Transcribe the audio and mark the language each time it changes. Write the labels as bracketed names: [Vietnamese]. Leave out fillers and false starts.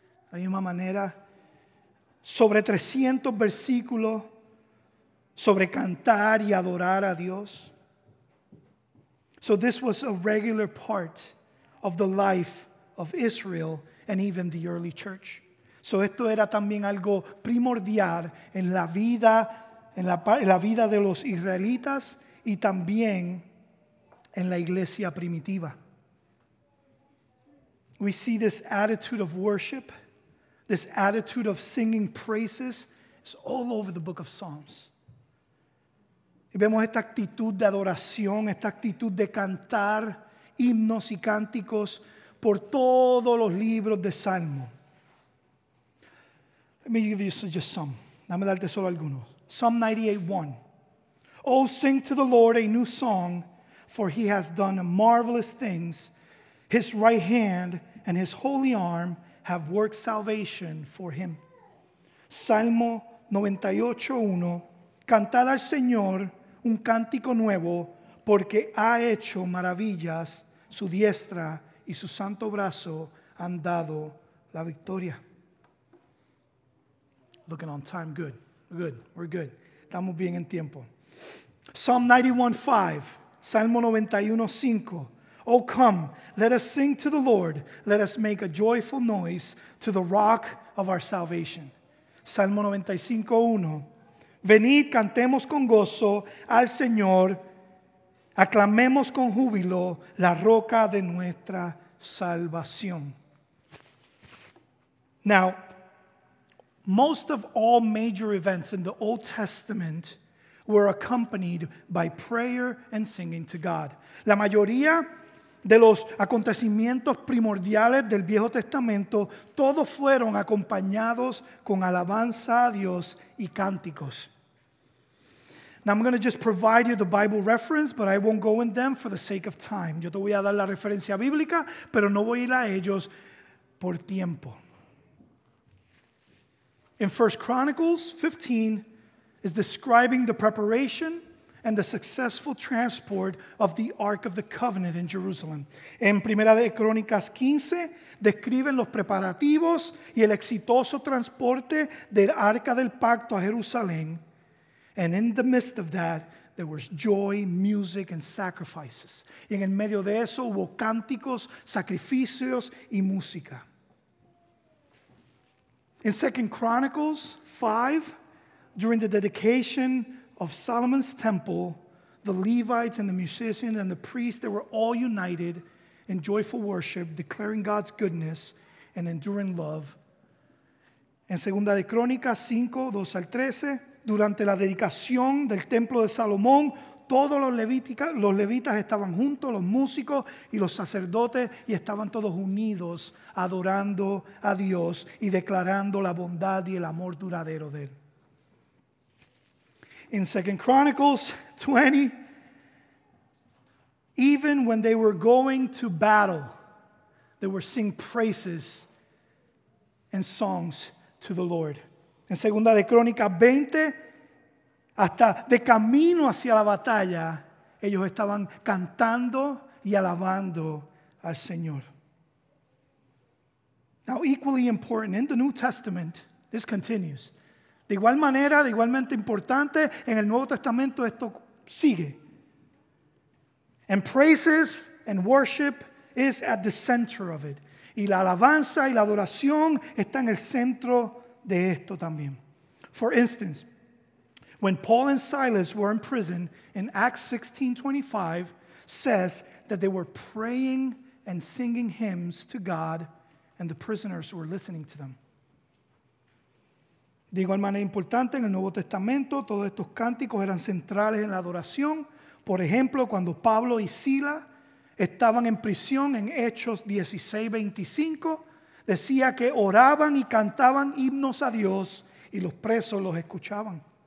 [Spanish] De la misma manera, sobre 300 versículos sobre cantar y adorar a Dios. [English] So this was a regular part of the life of Israel and even the early church. [Spanish] So esto era también algo primordial en la vida, en la vida de los israelitas y también en la iglesia primitiva. [English] We see this attitude of worship, this attitude of singing praises, it's all over the book of Psalms. [Spanish] Y vemos esta actitud de adoración, esta actitud de cantar himnos y cánticos por todos los libros de Salmo. [English] Let me give you just some. [Spanish] Dame darte solo algunos. [English] Psalm 98:1. Oh, sing to the Lord a new song, for he has done marvelous things. His right hand and his holy arm have worked salvation for him. [Spanish] Salmo 98:1. Cantad al Señor un cántico nuevo, porque ha hecho maravillas, su diestra y su santo brazo han dado la victoria. [English] Looking on time, good. Good, we're good. [Spanish] Estamos bien en tiempo. [English] Psalm 91:5, [Spanish] Salmo 91:5. [English] Oh, come, let us sing to the Lord. Let us make a joyful noise to the rock of our salvation. [Spanish] Salmo 95:1. Venid, cantemos con gozo al Señor. Aclamemos con júbilo la roca de nuestra salvación. [English] Now, most of all major events in the Old Testament were accompanied by prayer and singing to God. [Spanish] La mayoría de los acontecimientos primordiales del Viejo Testamento, todos fueron acompañados con alabanza a Dios y cánticos. [English] Now I'm going to just provide you the Bible reference, but I won't go in them for the sake of time. [Spanish] Yo te voy a dar la referencia bíblica, pero no voy a ir a ellos por tiempo. [English] In 1 Chronicles 15 is describing the preparation and the successful transport of the Ark of the Covenant in Jerusalem. [Spanish] En Primera de Crónicas 15 describen los preparativos y el exitoso transporte del Arca del Pacto a Jerusalén. [English] And in the midst of that, there was joy, music, and sacrifices. [Spanish] Y en el medio de eso hubo cánticos, sacrificios y música. [English] In 2 Chronicles 5, during the dedication of Solomon's temple, the Levites and the musicians and the priests, they were all united in joyful worship, declaring God's goodness and enduring love. [Spanish] En 2 de Crónicas 5, 2 al 13, durante la dedicación del templo de Salomón, todos los levitas estaban juntos, los músicos y los sacerdotes, y estaban todos unidos adorando a Dios y declarando la bondad y el amor duradero de él. [English] In 2 Chronicles 20, even when they were going to battle, they were singing praises and songs to the Lord. [Spanish] En 2 de Crónicas 20, hasta de camino hacia la batalla, ellos estaban cantando y alabando al Señor. [English] Now, equally important, in the New Testament, this continues. [Spanish] De igual manera, de igualmente importante, en el Nuevo Testamento esto sigue. [English] And praises and worship is at the center of it. [Spanish] Y la alabanza y la adoración está en el centro de esto también. [English] For instance, when Paul and Silas were in prison in Acts 16:25, says that they were praying and singing hymns to God and the prisoners were listening to them. [Spanish] De igual manera importante, en el Nuevo Testamento, todos estos cánticos eran centrales en la adoración. Por ejemplo, cuando Pablo y Sila estaban en prisión en Hechos 16:25, decía que oraban y cantaban himnos a Dios y los presos los escuchaban.